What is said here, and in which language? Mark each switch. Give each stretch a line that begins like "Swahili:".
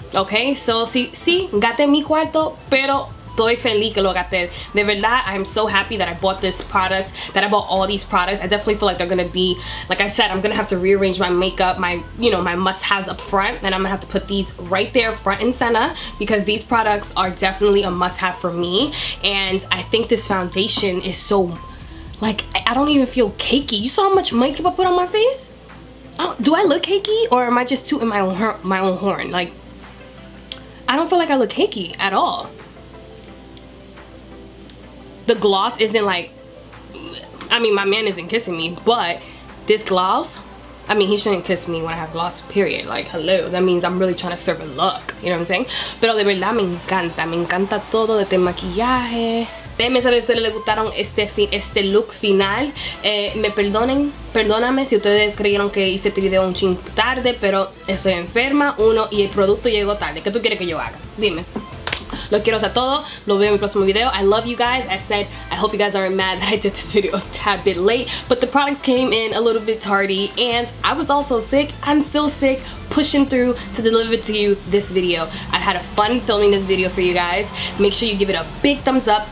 English: Okay, so
Spanish: si, gaten mi cuarto, pero estoy feliz que lo gaté. De verdad,
English: I'm so happy that I bought this product, that I bought all these products. I definitely feel like they're gonna be, like I said, I'm gonna have to rearrange my makeup, my, you know, my must-haves up front, and I'm gonna have to put these right there front and center, because these products are definitely a must-have for me. And I think this foundation is so, like, I don't even feel cakey. You saw how much makeup I put on my face? Do I look cakey, or am I just tooting my own horn? Like, I don't feel like I look cakey at all. The gloss isn't like, I mean, my man isn't kissing me, but this gloss, I mean, he shouldn't kiss me when I have gloss, period. Like, hello, that means I'm really trying to serve a look, you know what I'm saying?
Spanish: Pero de verdad, me encanta todo de este maquillaje. Déjenme saber si ustedes les gustaron este look final. Me perdonen, perdóname si ustedes creyeron que hice este video un ching tarde, pero estoy enferma, uno, y el producto llegó tarde. ¿Qué tú quieres que yo haga? Dime. Los quiero a todos. Los veo en mi próximo video.
English: I love you guys. I said, I hope you guys aren't mad that I did this video a tad bit late, but the products came in a little bit tardy, and I was also sick. I'm still sick, pushing through to deliver to you this video. I had a fun filming this video for you guys. Make sure you give it a big thumbs up.